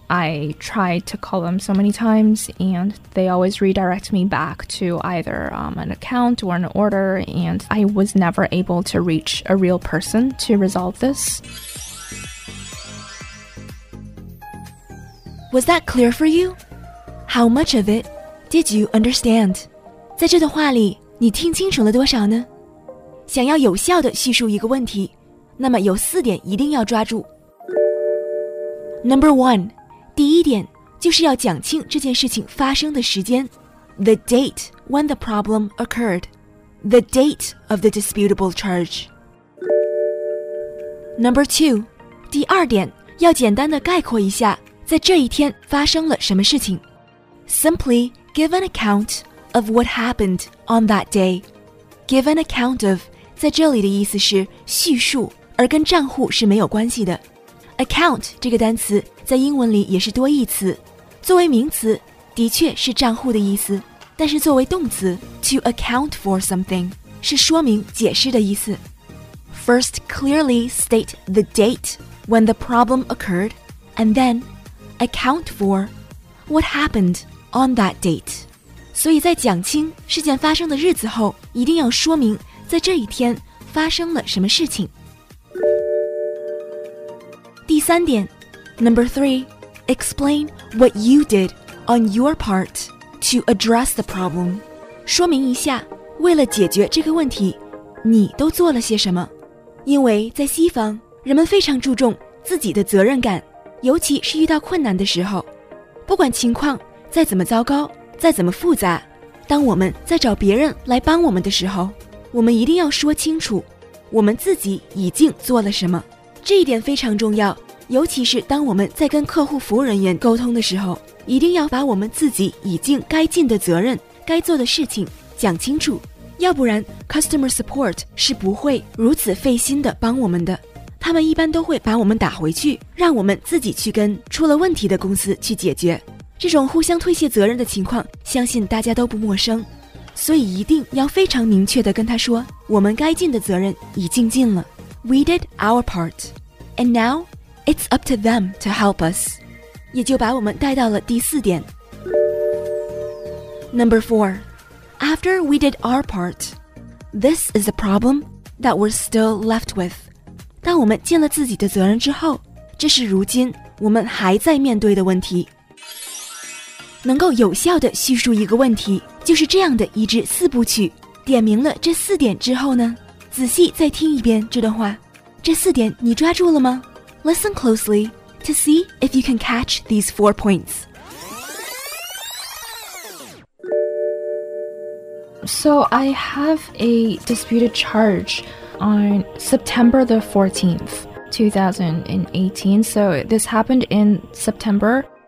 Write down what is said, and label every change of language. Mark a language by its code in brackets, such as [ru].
[en] I tried to call them so many times, and they always redirect me back to either an account or an order, and I was never able to reach a real person to resolve this. Was that clear for you? How much of it did you understand? [zh] 在这段话里，你听清楚了多少呢？想要有效地叙述一个问题，那么有四点一定要抓住。 [en] Number one, [zh] 第一点就是要讲清这件事情发生的时间。 [en] The date when the problem occurred. The date of the disputable charge. Number two, [zh] 第二点要简单地概括一下在这一天发生了什么事情。 [en] Simply give an account of what happened on that day. Give an account of [zh] 在这里的意思是叙述，而跟账户是没有关系的。 Account 这个单词在英文里也是多义词，作为名词的确是账户的意思，但是作为动词 [en] to account for something [zh] 是说明解释的意思。 [en] First clearly state the date when the problem occurred, and thenAccount for what happened on that date. [zh] 所以在讲清事件发生的日子后，一定要说明在这一天发生了什么事情。第三点 [en] ，Number three, explain what you did on your part to address the problem. [zh] 说明一下，为了解决这个问题，你都做了些什么？因为在西方，人们非常注重自己的责任感。尤其是遇到困难的时候，不管情况再怎么糟糕，再怎么复杂，当我们在找别人来帮我们的时候，我们一定要说清楚我们自己已经做了什么。这一点非常重要，尤其是当我们在跟客户服务人员沟通的时候，一定要把我们自己已经该尽的责任、该做的事情讲清楚，要不然 customer support 是不会如此费心地帮我们的。他们一般都会把我们打回去，让我们自己去跟出了问题的公司去解决。这种互相推卸责任的情况，相信大家都不陌生。所以一定要非常明确地跟他说，我们该尽的责任已经尽了。 [en] We did our part, and now it's up to them to help us. [zh] 也就把我们带到了第四点。 [en] Number four, after we did our part, this is a problem that we're still left with. [zh] 当我们尽了自己的责任之后，这是如今我们还在面对的问题。能够有效地叙述一个问题，就是这样的一至四部曲。点明了这四点之后呢，仔细再听一遍这段话，这四点你抓住了吗？ [en] Listen closely to see if you can catch these four points. So I have a disputed chargeOn September the 14th, 2018. So this happened in September.